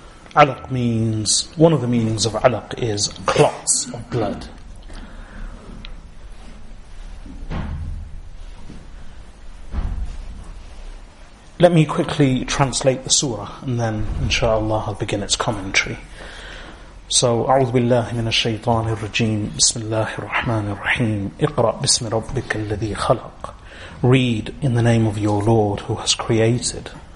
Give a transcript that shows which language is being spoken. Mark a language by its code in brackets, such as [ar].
[en] Alaq means, one of the meanings of Alaq is clots of blood. Let me quickly translate the surah, and then, inshallah, I'll begin its commentary. [ar] So, أعوذ بالله من الشيطان الرجيم بسم الله الرحمن الرحيم اقرأ بسم ربك الذي خلق. [en] Read in the name of your Lord who has created.